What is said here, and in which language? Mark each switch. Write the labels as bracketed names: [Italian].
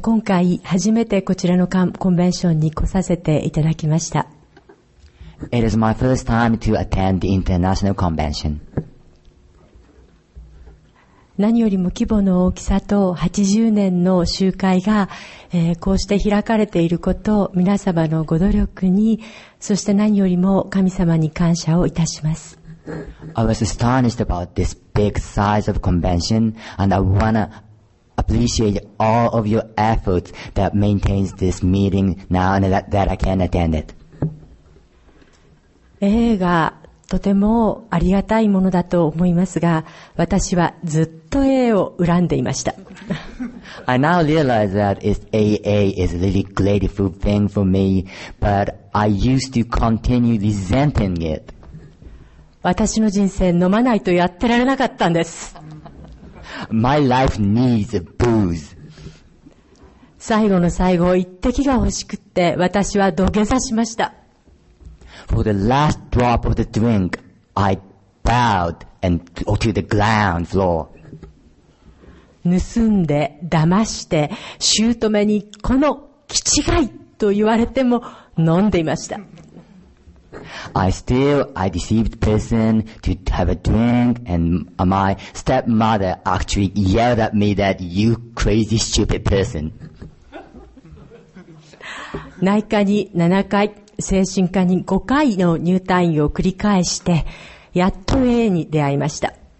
[Japanese] 今回初めてこちらのコンベンションに来させていただきました。 [English] It is my first time to attend the international convention. [Japanese] 何よりも規模の大きさと80年の集会が、こうして開かれていることを皆様のご努力に、そして何よりも神様に感謝をいたします。 [English] I was astonished about this big size of convention and I wanna appreciate all of your efforts that maintains this meeting now and that I can attend it. [Japanese] 映画とてもありがたいものだと思いますが、私はずっと映を恨んでいました。 [English] I now realize that AA is a really grateful thing for me, but I used to continue resenting it. [Japanese] 私の人生飲まないとやってられなかったんです。 [English] My life needs a booze. [Japanese] 最後の最後、一滴が欲しくって、私は土下座しました。 [English] For the last drop of the drink, I bowed to the ground floor. [Japanese] 盗んで、騙して、姑にこの気違いと言われても飲んでいました。 [English] I deceived person to have a drink, and my stepmother actually yelled at me that you crazy stupid person. [Japanese] 内科に7回、精神科に5回の入退院を繰り返して、やっと A に出会いました。